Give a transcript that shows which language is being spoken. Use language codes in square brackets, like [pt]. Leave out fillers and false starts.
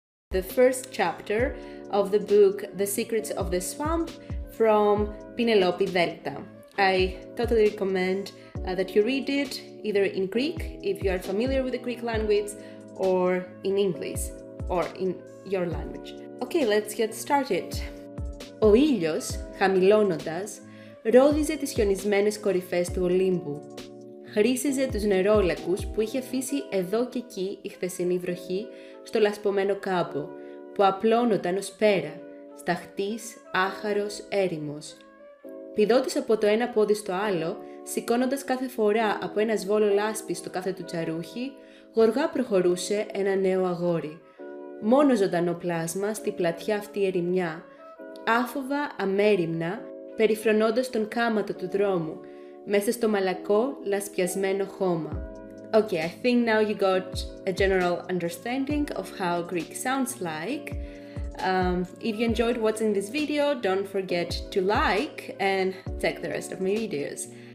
[en] The first chapter of the book "The Secrets of the Swamp" from Penelope Delta. I totally recommend that you read it, either in Greek, if you are familiar with the Greek language, or in English, or in your language. Okay, let's get started. [el] Ο ήλιος, χαμηλώνοντας, ρόδιζε τις χιονισμένες κορυφές του Ολύμπου. Χρήσιζε τους νερόλακους που είχε αφήσει εδώ και εκεί η χθεσινή βροχή στο λασπωμένο κάμπο, που απλώνονταν ως πέρα, σταχτής, άχαρος, έρημος. Πηδώντας από το ένα πόδι στο άλλο, σηκώνοντας κάθε φορά από ένα σβόλο λάσπη στο κάθε του τσαρούχι, γοργά προχωρούσε ένα νέο αγόρι. Μόνο ζωντανό πλάσμα στη πλατιά αυτή ερημιά, άφοβα αμέριμνα, περιφρονώντας τον κάματο του δρόμου, μέσα στο μαλακό, λασπιασμένο χώμα. [en] Okay, I think now you got a general understanding of how Greek sounds like. If you enjoyed watching this video, don't forget to like and check the rest of my videos.